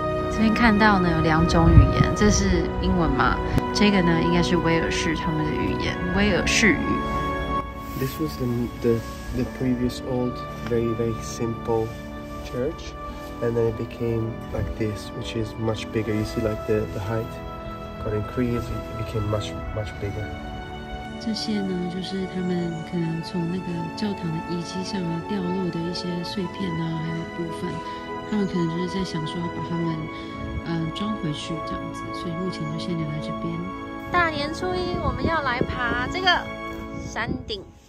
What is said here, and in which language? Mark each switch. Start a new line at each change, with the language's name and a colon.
Chinese: 这边看到呢有两种语言，这是英文嘛？这个呢应该是威尔士他们的语言，威尔士语。
English: This was the previous old, very, very simple church, and then it became like this, which is much bigger. You see, like the height got increased, it became much, much bigger.
Chinese: 这些呢，就是他们可能从那个教堂的遗迹上啊掉落的一些碎片啊，还有部分，他们可能就是在想说把他们装回去这样子，所以目前就先留在这边。大年初一，我们要来爬这个山顶。